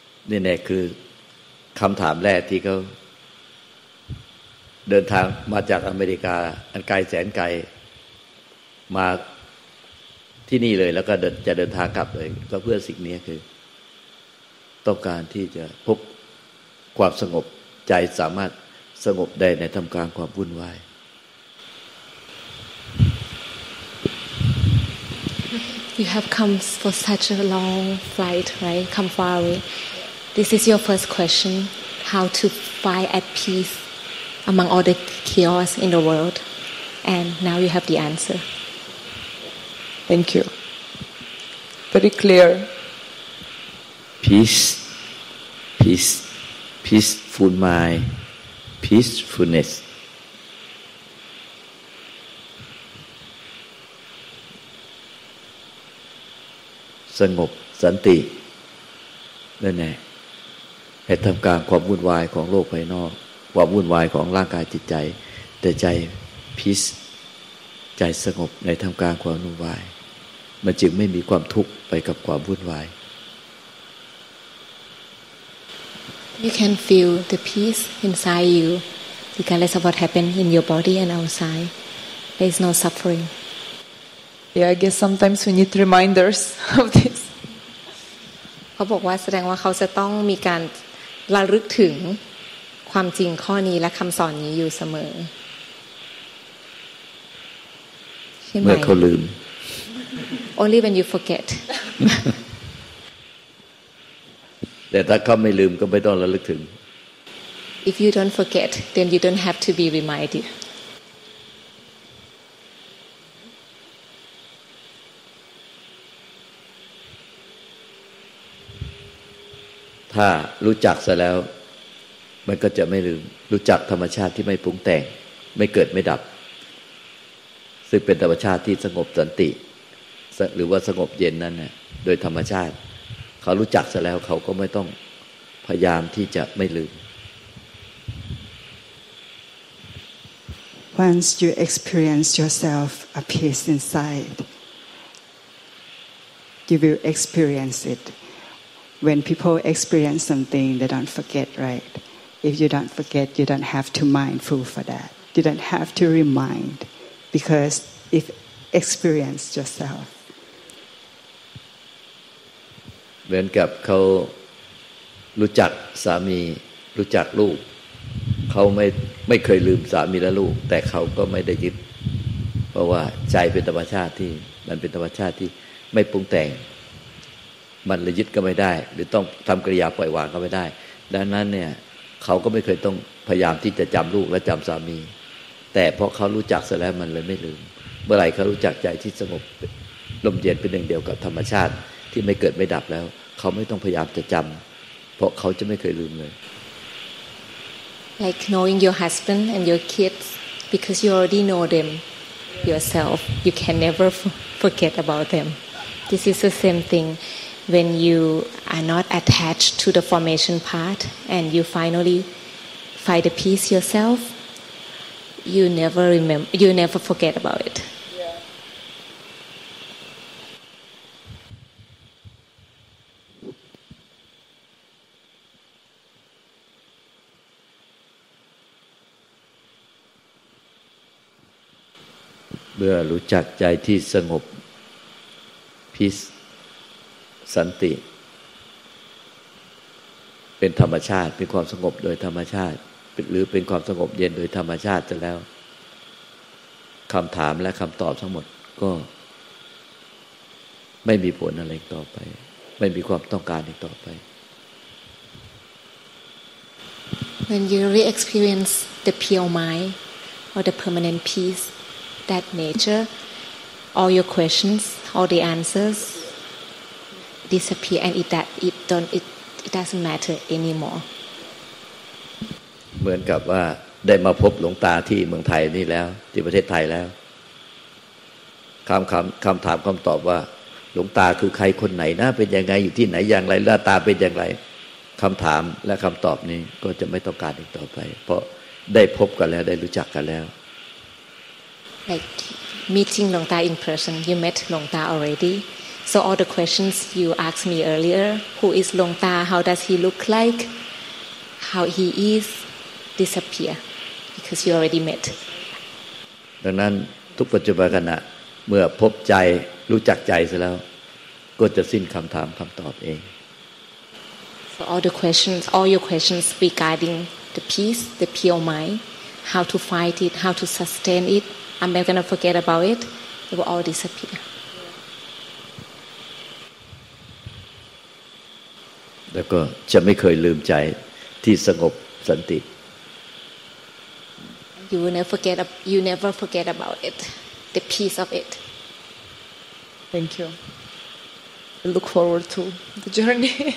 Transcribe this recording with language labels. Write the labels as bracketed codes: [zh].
[th] นี่แน่คือคำถามแรกที่เขาเดินทางมาจากอเมริกาอันไกลแสนไกลมาที่นี่เลยแล้วก็จะเดินทางกลับเลยก็เพื่อสิ่งนี้คือต้องการที่จะพบความสงบใจสามารถสงบได้ในท่ามกลางความวุ่นวาย [en] You have come for such a long flight, right? Come far away. This is your first question: how to find at peace among all the chaos in the world. And now you have the answer. Thank you. Very clear. Peace, peace, peaceful mind, peacefulness. [th] สงบสันตินั่นแหละให้ทำการความวุ่นวายของโลกภายนอกความวุ่นวายของร่างกายจิตใจแต่ใจพีซใจสงบในทำการความวุ่นวายมันจึงไม่มีความทุกข์ไปกับความวุ่นวาย [en] You can feel the peace inside you regardless of what happened in your body and outside there is no suffering Yeah, I guess sometimes we need reminders of this. [th] เขาบอกว่าแสดงว่าเขาจะต้องมีการระลึกถึง ความจริงข้อนี้และคำสอนนี้อยู่เสมอ เมื่อเขาลืม [en] Only when you forget [th] แต่ถ้าเขาไม่ลืมก็ไม่ต้องระลึกถึง [en] If you don't forget then you don't have to be reminded [th] ถ้ารู้จักซะแล้วมันก็จะไม่ลืมรู้จักธรรมชาติที่ไม่ปรุงแต่งไม่เกิดไม่ดับซึ่งเป็นธรรมชาติที่สงบสันติหรือว่าสงบเย็นนั่นแหละโดยธรรมชาติเขารู้จักซะแล้วเขาก็ไม่ต้องพยายามที่จะไม่ลืม [en] Once you experience yourself a peace inside you will experience itWhen people experience something, they don't forget, right? If you don't forget, you don't have to mindful for that. You don't have to remind, because if experience yourself. [th] เหมือนกับเขารู้จักสามีรู้จักลูกเขาไม่เคยลืมสามีและลูกแต่เขาก็ไม่ได้ยึดเพราะว่าใจเป็นธรรมชาติที่มันเป็นธรรมชาติที่ไม่ปรุงแต่ง มันละยึดก็ไม่ได้หรือต้องทำกิริยาปล่อยวางก็ไม่ได้ดังนั้นเนี่ยเขาก็ไม่เคยต้องพยายามที่จะจำลูกและจำสามีแต่เพราะเขารู้จักซะแล้วมันเลยไม่ลืมเมื่อไหร่เขารู้จักใจที่สงบลมเย็นเป็นหนึ่งเดียวกับธรรมชาติที่ไม่เกิดไม่ดับแล้วเขาไม่ต้องพยายามจะจำเพราะเขาจะไม่เคยลืมเลย [en] like knowing your husband and your kids because you already know them yourself you can never forget about them this is the same thingWhen you are not attached to the formation part and you finally find the peace yourself, you never remember, you never forget about it. [th] เมื่อรู้จักใจที่สงบ peaceสันติเป็นธรรมชาติเป็นความสงบโดยธรรมชาติหรือเป็นความสงบเย็นโดยธรรมชาติจะแล้วคำถามและคำตอบทั้งหมดก็ไม่มีผลอะไรต่อไปไม่มีความต้องการอีกต่อไป [en] When you re-experience the pure mind or the permanent peace that nature all your questions all the answersdisappear and it doesn't matter anymore [th] เหมือนกับว่าได้มาพบหลวงตาที่เมืองไทยนี่แล้วที่ประเทศไทยแล้วคำถามคำตอบว่าหลวงตาคือใครคนไหนนะเป็นยังไงอยู่ที่ไหนอย่างไรหน้าตาเป็นอย่างไรคำถามและคำตอบนี้ก็จะไม่ต้องการอีกต่อไปเพราะได้พบกันแล้วได้รู้จักกันแล้ว [en] like meeting หลวงตา in person you met หลวงตา alreadySo all the questions you asked me earlier, who is Long Ta, how does he look like, how he is, disappear because you already met. [th] ดังนั้นทุกปัจจุบันขณะเมื่อพบใจรู้จักใจเสร็จแล้วก็จะสิ้นคำถามคำตอบเอง [en] So all the questions, all your questions regarding the peace, the pure mind, how to fight it, how to sustain it, I'm not gonna forget about it, it will all disappear. [th] แล้วก็จะไม่เคยลืมใจที่สงบสันติ [en] you never forget about it the peace of it thank you I look forward to the journey